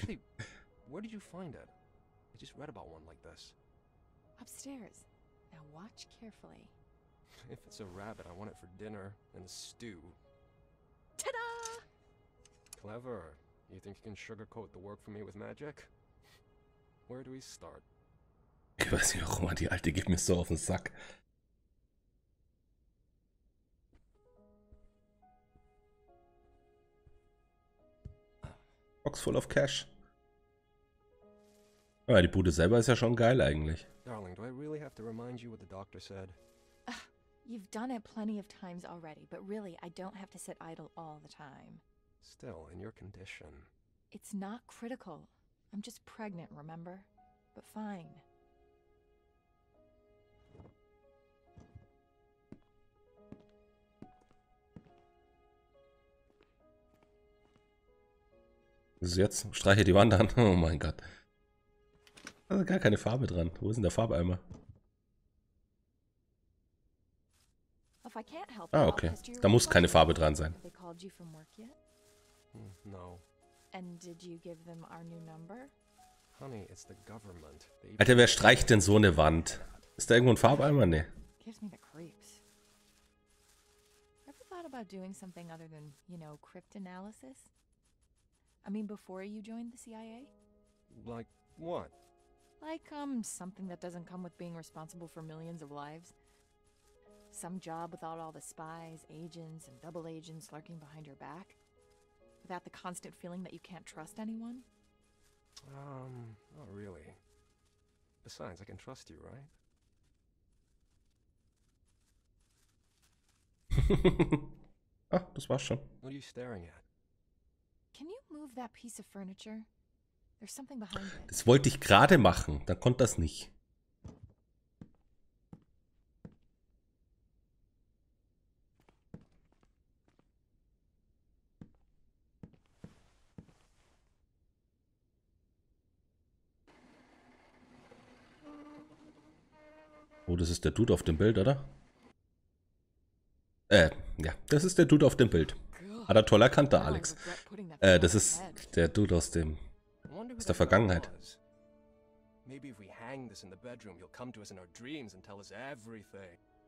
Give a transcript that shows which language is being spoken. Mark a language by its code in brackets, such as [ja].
[en] Actually, where did you find it? I just read about one like this. Upstairs. Now watch carefully. If it's a rabbit, I want it for dinner and stew. Ta-da! Clever. You think you can sugarcoat the work for me with magic? Where do we start? [de] Ich weiß nicht, warum die Alte gibt mir so auf den Sack. [en] Box full of cash. [de] Aber ja, die Bude selber ist ja schon geil eigentlich. [en] Darling, do I really have to remind you what the doctor said? You've done it plenty of times already, but really, I don't have to sit idle all the time. Still, in your condition. It's not critical. I'm just pregnant, remember? But fine. [de] Was ist jetzt? Streiche die Wand an. Oh mein Gott. Da ist gar keine Farbe dran. Wo ist denn der Farbeimer? [en] If I can't help, [de] ah, okay. Da muss keine Farbe dran sein. [en] They called you from work yet? No. And did you give them our new number? Honey, it's the government. [de] Alter, wer streicht denn so eine Wand? Ist da irgendwo ein Farbeimer? Nee. [en] Gives me the creeps. Ever thought about doing something other than, you know, cryptanalysis? I mean, before you joined the CIA? Like what? Like, something that doesn't come with being responsible for millions of lives. Some job without all the spies, agents, and double agents lurking behind your back? Without the constant feeling that you can't trust anyone? Not really. Besides, I can trust you, right? [de] Ah, das war's schon. [en] What are you staring at? Can you move that piece of furniture? There's something behind it. [de] Das wollte ich gerade machen, dann konnte das nicht. Oh, das ist der Dude auf dem Bild, oder? Ja, das ist der Dude auf dem Bild. Hat er toll erkannt, der Alex. Das ist der Dude aus dem... aus der Vergangenheit. [en] Maybe if we hang this in the bedroom, you'll come to us in our dreams and tell us everything.